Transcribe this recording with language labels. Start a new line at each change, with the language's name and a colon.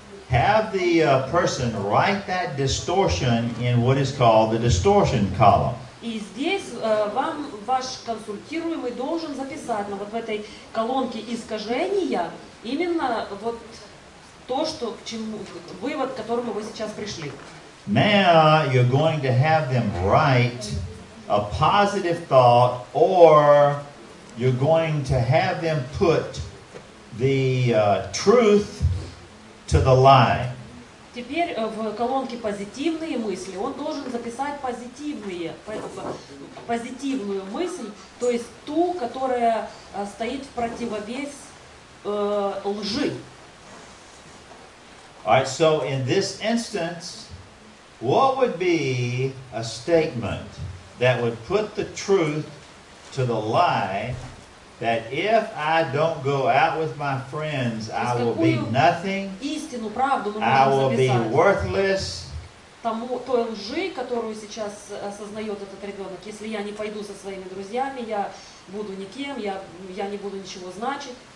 English: Have the person write that distortion in what is called the distortion column.
Russian: И здесь вам ваш консультируемый должен записать, вот в этой колонке искажения именно вот то, что к чему вывод, к которому вы сейчас пришли.
English: Now you're going to have them write a positive thought, or you're going to have them put the truth to the lie.
Russian: Теперь в колонке позитивные мысли. Он должен записать позитивные, позитивную мысль, то есть ту, которая стоит в противовес лжи.
English: All right, so in this instance, what would be a statement that would put the truth to the lie that if I don't go out with my friends, I will be nothing,
Russian: истину, правду,
English: I will be worthless.
Russian: Тому, той лжи, которую сейчас осознает этот ребенок, если я не пойду со своими друзьями, я буду никем, я не буду ничего значить.